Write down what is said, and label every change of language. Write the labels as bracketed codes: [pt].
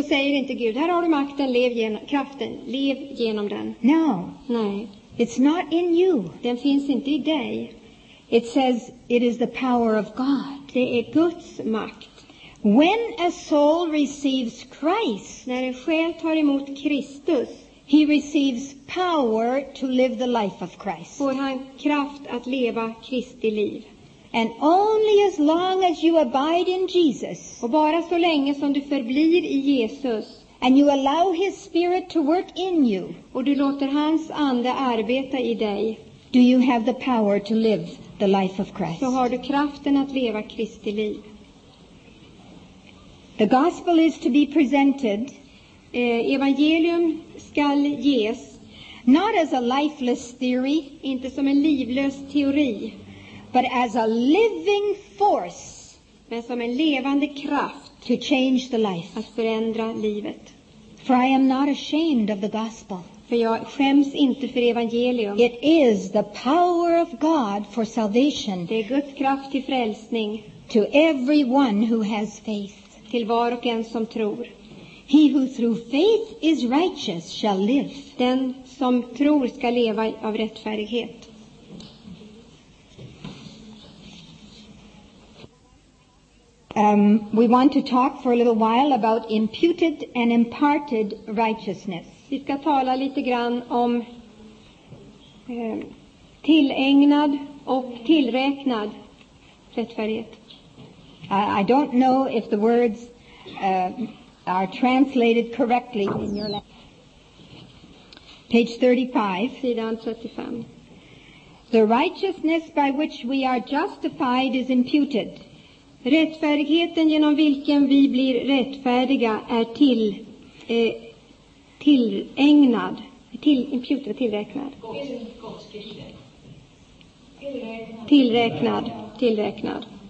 [sv] Så säger inte Gud, här har du makten, lev genom kraften, lev genom den. [en] No. [sv] Nej. [en] It's not in you. [sv] Den finns inte i dig. [en] It says it is the power of God. [sv] Det är Guds makt. [en] When a soul receives Christ, [sv] när en själ tar emot Kristus, [en] he receives power to live the life of Christ. [sv] Får han kraft att leva Kristi liv. [en] And only as long as you abide in Jesus. [sv] Och bara så länge som du förblir i Jesus. [en] And you allow his spirit to work in you. [sv] Och du låter hans ande arbeta i dig. [en] Do you have the power to live the life of Christ? [sv] Så har du kraften att leva Kristi liv. [en] The gospel is to be presented. [sv] Evangelium skall ges. [en] Not as a lifeless theory, [sv] inte som en livlös teori, [en] but as a living force. [sv] men som en levande kraft [en] to change the life. [sv] Att förändra livet. [en] For I am not ashamed of the gospel. [sv] För jag skäms inte för evangelium. [en] It is the power of God for salvation. [sv] Det är Guds kraft till frälsning. [en] To everyone who has faith. [sv] Till var och en som tror. [en] He who through faith is righteous shall live. [sv] Den som tror ska leva av rättfärdighet. [en] We want to talk for a little while about imputed and imparted righteousness. [sv] Vi ska tala lite grann om tillägnad och tillräknad rättfärdighet. [en] I don't know if the words are translated correctly in your language. Page 35. [sv] Sidan 35. [en] The righteousness by which we are justified is imputed. [sv] Rättfärdigheten genom vilken vi blir rättfärdiga är till tillägnad, till imputed, tillräknad. Tillräknad, tillräknad.